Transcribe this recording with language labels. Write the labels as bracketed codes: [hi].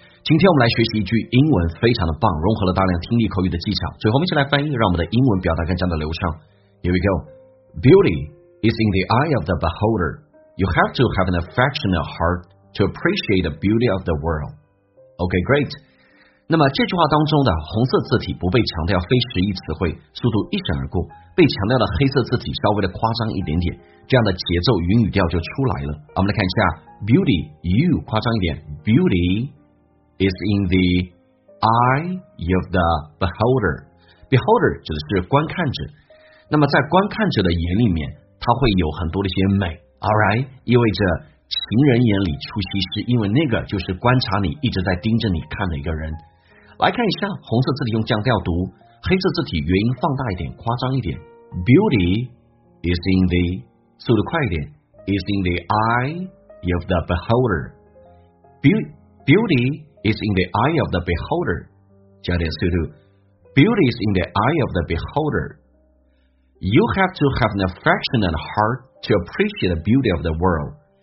[zh] 今天我们来学习一句英文，非常的棒，融合了大量听力口语的技巧，最后我们一起来翻译，让我们的英文表达更加的流畅。 [en] Here we go。 Beauty is in the eye of the beholder. You have to have an affectionate heart to appreciate the beauty of the world. OK, great。 [zh] 那么这句话当中的红色字体不被强调，非实意词汇，速度一闪而过，被强调的黑色字体稍微的夸张一点点，这样的节奏云语调就出来了。我们来看一下 Beauty， you 夸张一点， [en] Beauty is in the eye of the beholder， [zh] Beholder 指的是观看者，那么在观看者的眼里面它会有很多的一些美， Alright， 意味着情人眼里出西施，因为那个就是观察你，一直在盯着你看的一个人。来看一下红色字体用降调读，黑色字体元音放大一点，夸张一点。 [en] Beauty is in the [zh] 速度快一点 [en] is in the eye of the beholder. Beauty is in the eye of the beholder. [zh] 加点速度。 [en] Beauty is in the eye of the beholder. You have to have an affectionate heart to appreciate the beauty of the world.